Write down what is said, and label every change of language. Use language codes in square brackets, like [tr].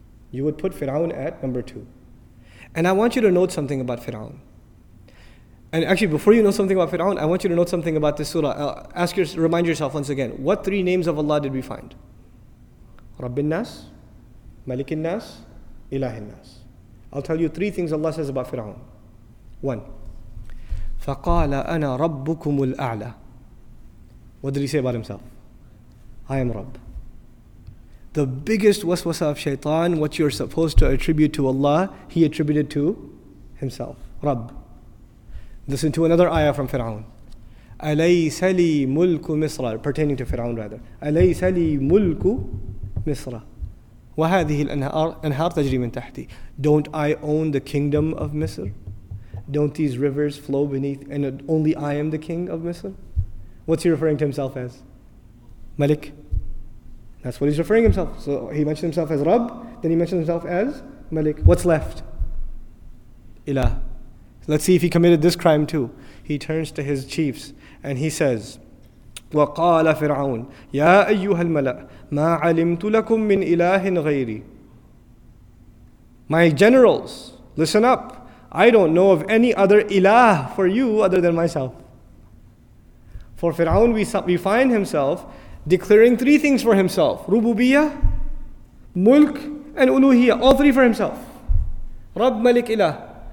[en] You would put Fir'aun at number two. And I want you to note something about Fir'aun. And actually, before you know something about Fir'aun, I want you to note something about this surah. Remind yourself once again. What three names of Allah did we find? Rabbin Nas, Malikin Nas, Ilahin Nas. I'll tell you three things Allah says about Fir'aun. [ar] One, فَقَالَ أَنَا رَبُّكُمُ الْأَعْلَى. [en] What did he say about himself? I am Rabb. The biggest waswasa of shaitan, what you're supposed to attribute to Allah, he attributed to himself, Rabb. Listen to another ayah from Fir'aun. [ar] أَلَيْسَ لِي مُلْكُ مِصْرَ. [en] Pertaining to Fir'aun rather. [ar] أَلَيْسَ لِي مُلْكُ مِصْرَ. وَهَذِهِ الْأَنْهَارِ تَجْرِي مِنْ تَحْتِي. [en] Don't I own the kingdom of Misr? Don't these rivers flow beneath, and only I am the king of Misr? What's he referring to himself as? Malik. That's what he's referring himself. So he mentioned himself as Rabb, then he mentioned himself as Malik. What's left? Ilah. Let's see if he committed this crime too. He turns to his chiefs and he says, [ar] وقال فرعون يا أيها الملأ ما علمت لكم من إله غيري. [en] My generals, listen up. I don't know of any other ilah for you other than myself. For Fir'aun, we find himself declaring three things for himself: rububiyyah, mulk, and uluhiyyah. All three for himself. Rabb, Malik, Ilah.